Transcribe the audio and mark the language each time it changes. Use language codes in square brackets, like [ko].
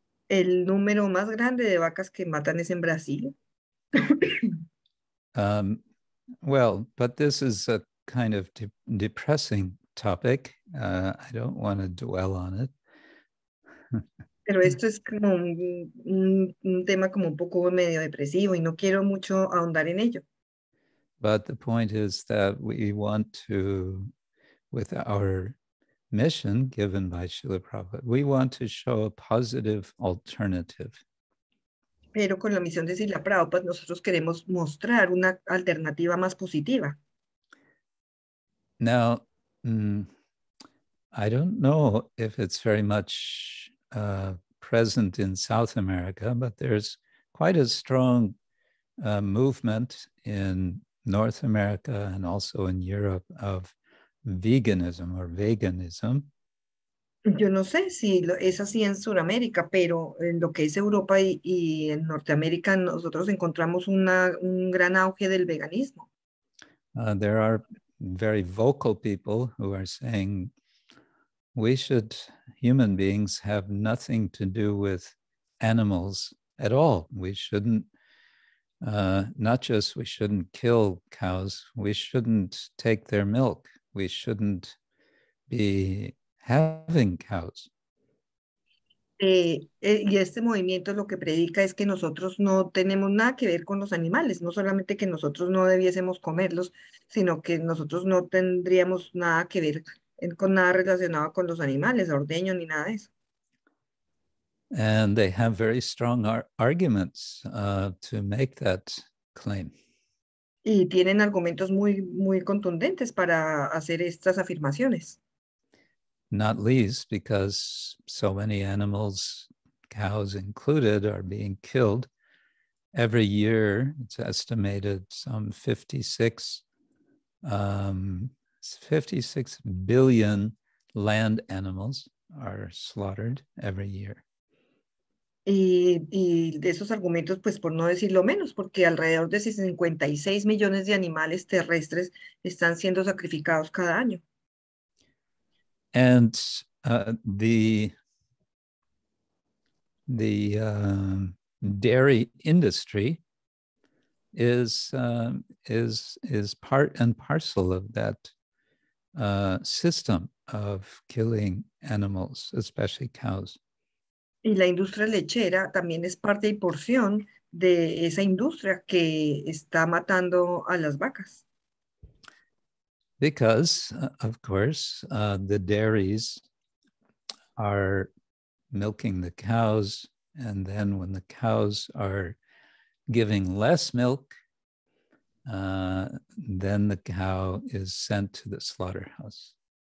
[es] El número más grande de vacas que matan es en Brasil. [en] Well, but this is a kind of depressing topic. I don't want to dwell on it. [es] Pero esto es como un tema como un poco medio depresivo y no quiero mucho ahondar en ello. [en] But the point is that we want to, with our mission given by Srila Prabhupada, we want to show a positive alternative. [es] Pero con la misión de Srila Prabhupada, nosotros queremos mostrar una alternativa más positiva. [en] Now, I don't know if it's very much present in South America, but there's quite a strong movement in North America and also in Europe of veganism or veganism. [es] Yo no sé si es así en Sudamérica, pero en lo que es Europa y en Norteamérica nosotros encontramos un gran auge del veganismo. [en] There are very vocal people who are saying we should, human beings have nothing to do with animals at all. We shouldn't not just we shouldn't kill cows, we shouldn't take their milk, we shouldn't be having cows. [es] Y este movimiento lo que predica es que nosotros no tenemos nada que ver con los animales, no solamente que nosotros no debiésemos comerlos, sino que nosotros no tendríamos nada que ver con nada relacionado con los animales, ordeño ni nada de eso. [en] And they have very strong arguments to make that claim. [es] Y tienen argumentos muy, muy contundentes para hacer estas afirmaciones. [en] Not least because so many animals, cows included, are being killed. Every year, it's estimated some 56 billion land animals are slaughtered every year. [es] Y de esos argumentos, pues por no decirlo menos, porque alrededor de 56 millones de animales terrestres están siendo sacrificados cada año. [en] And the dairy industry is part and parcel of that system of killing animals, especially cows. [es] Y la industria lechera también es parte y porción de esa industria que está matando a las vacas. [en] Because, of course, the dairies are milking the cows, and then when the cows are giving less milk, then the cow is sent to the slaughterhouse.